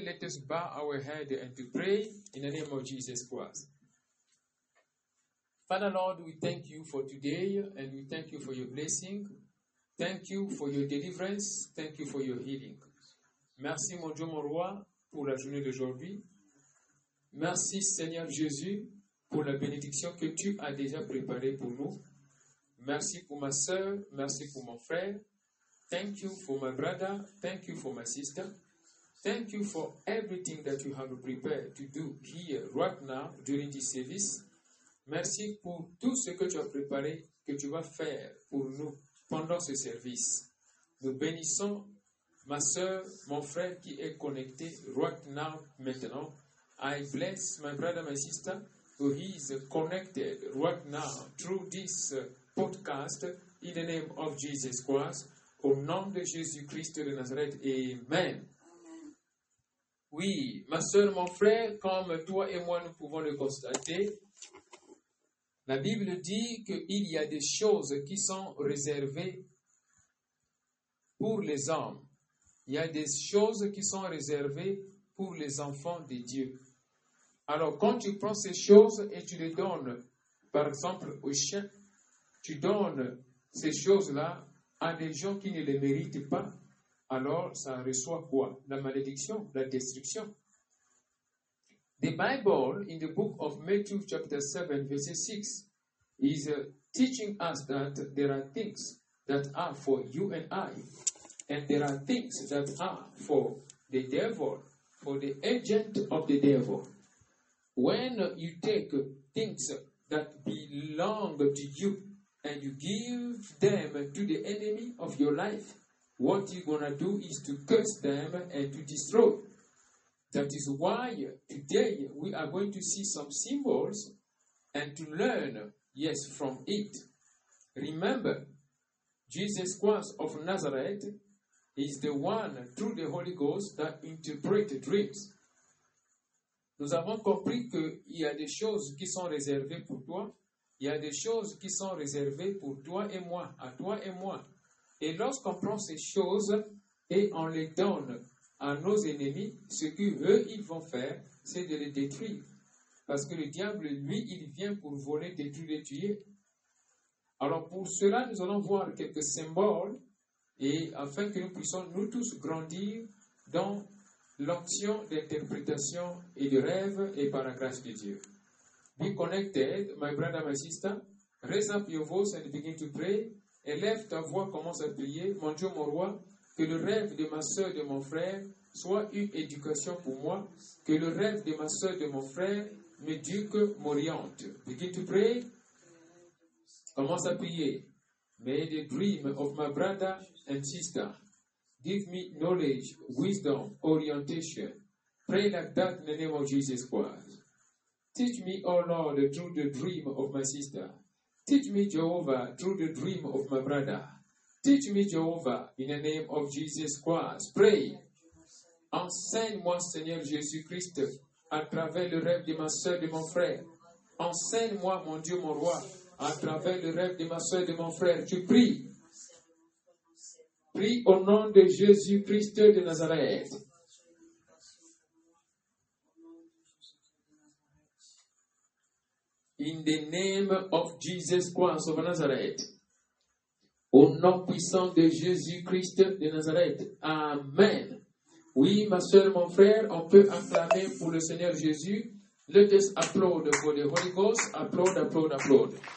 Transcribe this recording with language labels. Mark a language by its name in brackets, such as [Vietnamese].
[English] Let us bow our head and to pray in the name of Jesus Christ. Father Lord, we thank you for today and we thank you for your blessing. Thank you for your deliverance. Thank you for your healing. [French] Merci mon Dieu, mon roi, pour la journée d'aujourd'hui. Merci Seigneur Jésus pour la bénédiction que tu as déjà préparée pour nous. Merci pour ma soeur. Merci pour mon frère. [English] Thank you for my brother. Thank you for my sister. Thank you for everything that you have prepared to do here right now during this service. [French] Merci pour tout ce que tu as préparé, que tu vas faire pour nous pendant ce service. Nous bénissons ma soeur, mon frère qui est connecté [English] right now [French] maintenant. [English] I bless my brother, my sister who is connected right now through this podcast in the name of Jesus Christ. [French] Au nom de Jésus-Christ de Nazareth, amen. Oui, ma soeur, mon frère, comme toi et moi, nous pouvons le constater, la Bible dit qu'il y a des choses qui sont réservées pour les hommes. Il y a des choses qui sont réservées pour les enfants de Dieu. Alors, quand tu prends ces choses et tu les donnes, par exemple, aux chiens, tu donnes ces choses-là à des gens qui ne les méritent pas, alors ça reçoit quoi? La malédiction, la destruction. [English] The Bible, in the book of Matthew, chapter 7, verset 6, is teaching us that there are things that are for you and I, and there are things that are for the devil, for the agent of the devil. When you take things that belong to you, and you give them to the enemy of your life, what you're going to do is to curse them and to destroy. That is why today we are going to see some symbols and to learn, yes, from it. Remember, Jesus Christ of Nazareth is the one through the Holy Ghost that interprets dreams. [French] Nous avons compris qu'il y a des choses qui sont réservées pour toi. Il y a des choses qui sont réservées pour toi et moi, à toi et moi. Et lorsqu'on prend ces choses et on les donne à nos ennemis, ce qu'eux, ils vont faire, c'est de les détruire. Parce que le diable, lui, il vient pour voler, détruire et tuer. Alors pour cela, nous allons voir quelques symboles et afin que nous puissions nous tous grandir dans l'onction d'interprétation et de rêve et par la grâce de Dieu. [English] Be connected, my brother, my sister. Raise up your voice and begin to pray. [French] Élève ta voix, commence à prier. Mon Dieu, mon roi, que le rêve de ma soeur, de mon frère, soit une éducation pour moi. Que le rêve de ma soeur, de mon frère, m'éduque, m'oriente. [English] Begin to pray. [French] Commence à prier. [English] May the dream of my brother and sister give me knowledge, wisdom, orientation. Pray like that in the name of Jesus Christ. Teach me, O Lord, through the dream of my sister. Teach me, Jehovah, through the dream of my brother. Teach me, Jehovah, in the name of Jesus Christ. Pray. [French] Enseigne-moi, Seigneur Jésus-Christ, à travers le rêve de ma soeur, de mon frère. Enseigne-moi, mon Dieu, mon roi, à travers le rêve de ma soeur, de mon frère. Tu pries. Prie au nom de Jésus-Christ de Nazareth. [English] In the name of Jesus Christ of Nazareth. [French] Au nom puissant de Jésus-Christ de Nazareth. Amen. Oui, ma soeur, mon frère, on peut acclamer pour le Seigneur Jésus. [English] Let us applaud for the Holy Ghost. Applaud, applaud, applaud.